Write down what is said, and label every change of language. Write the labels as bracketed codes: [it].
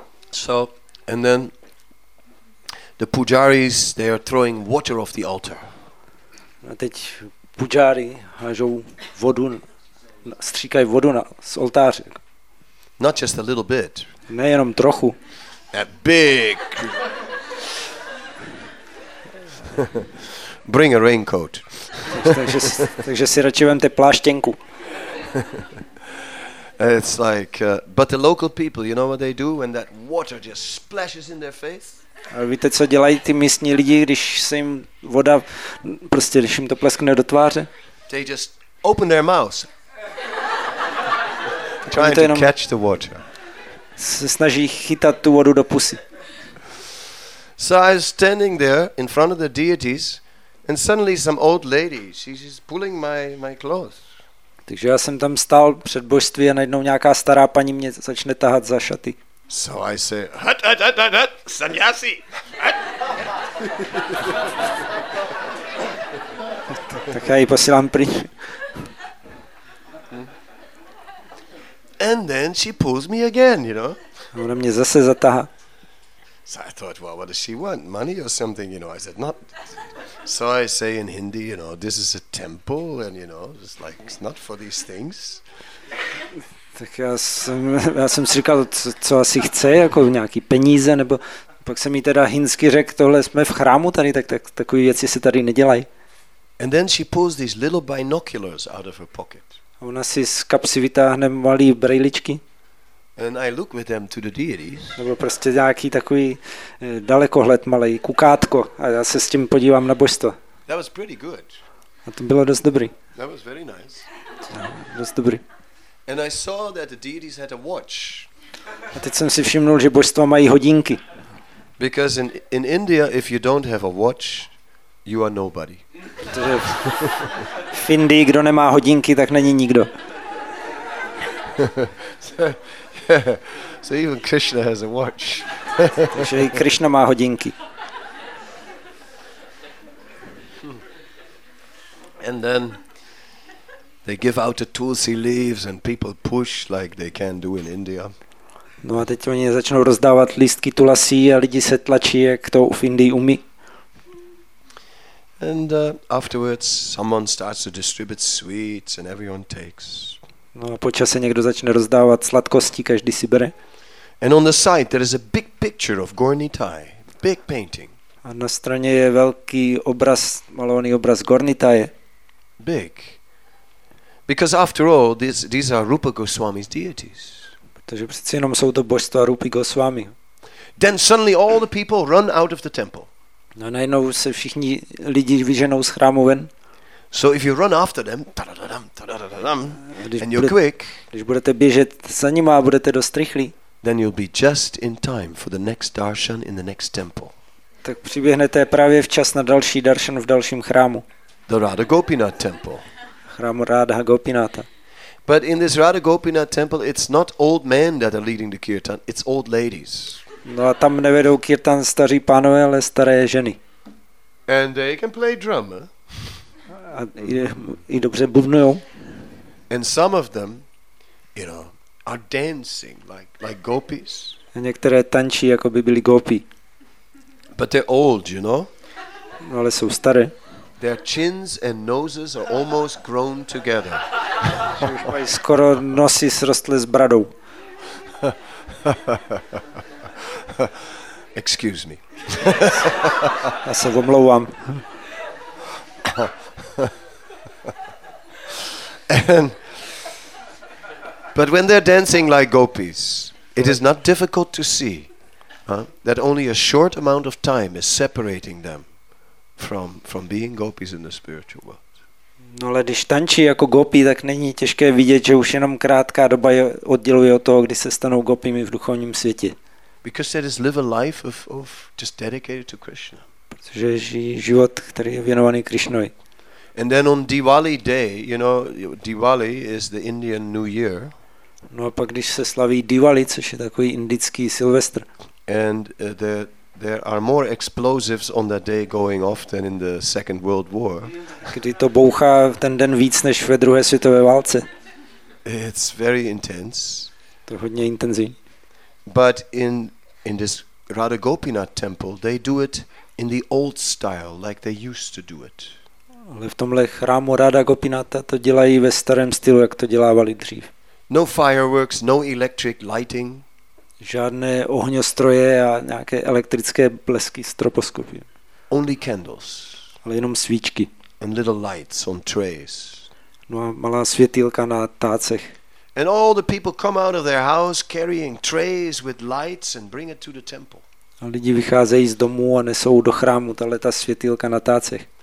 [en] So and then the pujaris they are throwing water off the altar. [cs] A teď pujari hážou vodu, stříkají vodu na z oltáře. [en] Not just a little bit. [cs] Ne jenom trochu. [en] A big. Bring a raincoat. [cs] Takže si radši vemte pláštěnku. [en] It's like but the local people, you know what they do when that water just splashes in their face? [cs] A víte, co dělají ty místní lidi, když se jim voda prostě když jim to pleskne do tváře? [en] They just open their mouths. Trying to catch the water. [cs] Se snaží chytat tu vodu do pusy. [en] So I was standing there in front of the deities and suddenly some old lady, she's just pulling my clothes. [cs] Takže já jsem tam stál před božství a najednou nějaká stará paní mě začne tahat za šaty. [en] So I say, [hi] hat, hat, hat, hat, hat, sanyasi, hat. [cs] Tak já ji posílám pryč. [en] And then she pulls me again, you know. [cs] Ona mě zase zatáhá. [en] So I thought, well, what does she want? Money or something, you know? I said, not. So I say in Hindi, you know, this is a temple, and you know, it's like, it's not for these things. [cs] Tak já jsem si říkal, co asi chce, jako nějaký peníze, nebo pak jsem jí teda hinsky řekl, tohle jsme v chrámu tady, tak takový věci se tady nedělají. [en] And then she pulls these little binoculars out of her pocket. [cs] Ona si z kapsy vytáhne malý brejličky. [en] And I look with them to the deities. [cs] Nebo prostě nějaký takový dalekohled malej, kukátko, a já se s tím podívám na božstvo. [en] That was pretty good. [cs] A to bylo dost dobrý. [en] That was very nice. [cs] Dost dobrý. [en] And I saw that the deities had a watch. [cs] A teď jsem si všimnul, že božstva mají hodinky. [en] Because in India, if you don't have a watch, you are nobody. [cs] Protože v Indii, kdo nemá hodinky, tak není nikdo. [en] So even Krishna has a watch. [cs] Takže i Krishna má hodinky. [en] And then they give out the tulsi leaves and people push like they can do in India. [cs] No a teď oni začnou rozdávat lístky tulasí a lidi se tlačí, jak to v Indii umí. [en] And afterwards someone starts to distribute sweets and everyone takes. [cs] No a po čase někdo začne rozdávat sladkosti, každý si bere. [en] And on the side there is a big picture of Gornitai, big painting. [cs] A na straně je velký obraz, malovaný obraz Gornitaje. [en] Big. Because after all these are Rupa Goswami's deities. [cs] Protože přeci jenom jsou to božstva Rupy Goswami. [en] Then suddenly all the people run out of the temple. [cs] No a najednou se všichni lidi vyženou z chrámu ven. [en] So if you run after them, ta-da-da-dam, ta-da-da-dam, and you're quick, [cs] když budete běžet za nima a budete dost rychlí, [en] then you'll be just in time for the next darshan in the next temple. [cs] Tak přiběhnete právě včas na další darshan v dalším chrámu. [en] The Radha Gopinath temple. [cs] Chrámu Radha Gopinatha. [en] But in this Radha Gopinath temple, it's not old men that are leading the kirtan, it's old ladies. [cs] No a tam nevedou kirtan staří pánové, ale staré ženy. [en] And they can play drum. [cs] A i dobře bubnujou. [en] And some of them, you know, are dancing like gopis. [cs] A některé tančí, jako by byly gopi. [en] But they're old, you know. [cs] No, ale jsou staré. [en] Their chins and noses are almost grown together. [cs] Mají skoro nosy srostly s bradou. [en] Excuse me. [cs] Já se omlouvám. [en] And but when they're dancing like gopis, it is not difficult to see that only a short amount of time is separating them from being gopis in the spiritual world. [cs] No, ale když tančí jako gopi, tak není těžké vidět, že už jenom krátká doba je odděluje od toho, kdy se stanou gopimi v duchovním světě. [en] Because they just live a life of just dedicated to Krishna. [cs] Protože žijí život, který je věnovaný Krišnovi. [en] And then on Diwali day, you know, Diwali is the Indian New Year. [cs] No a pak když se slaví Diwali, což je takový indický Silvestr. [en] And there are more explosives on that day going off than in the Second World War. [cs] Kdy to bouchá v ten den víc než ve druhé světové válce. [en] It's very intense. [cs] To je hodně intenzivní. [en] But in this Radha Gopinath temple, they do it in the old style, like they used to do it. [cs] Ale v tomhle chrámu Radha Gopinatha to dělají ve starém stylu, jak to dělávali dřív. [en] No fireworks, no electric lighting. [cs] Žádné ohňostroje a nějaké elektrické blesky stroposkopy. [en] Only candles. [cs] Ale jenom svíčky. [en] And little lights on trays. [cs] No a malá světýlka na tácech. [en] And all the people come out of their house carrying trays with lights and bring it to the temple. [cs] A lidi vycházejí z domu a nesou do chrámu tahle ta světýlka na tácech.